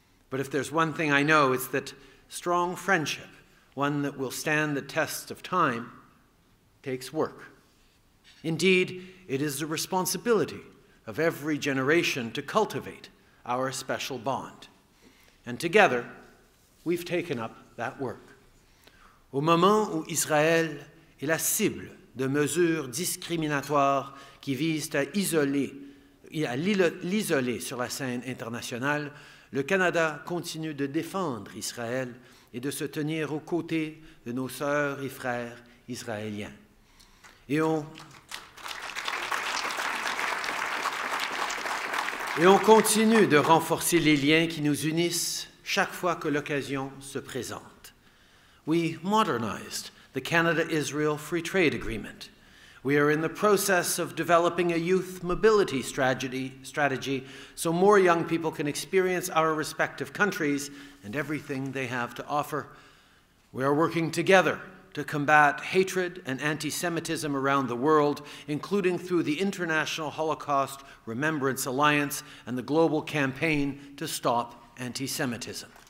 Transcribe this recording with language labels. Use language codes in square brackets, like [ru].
[en] But if there's one thing I know, it's that strong friendship, one that will stand the test of time, takes work. Indeed, it is the responsibility of every generation to cultivate our special bond. And together, we've taken up that work. [fr] Au moment où Israël est la cible de mesures discriminatoires qui visent à l'isoler sur la scène internationale, le Canada continue de défendre Israël et de se tenir aux côtés de nos sœurs et frères israéliens. Et on continue de renforcer les liens qui nous unissent chaque fois que l'occasion se présente. [en] We modernized the Canada-Israel Free Trade Agreement. We are in the process of developing a youth mobility strategy so more young people can experience our respective countries and everything they have to offer. We are working together to combat hatred and anti-Semitism around the world, including through the International Holocaust Remembrance Alliance and the global campaign to stop anti-Semitism.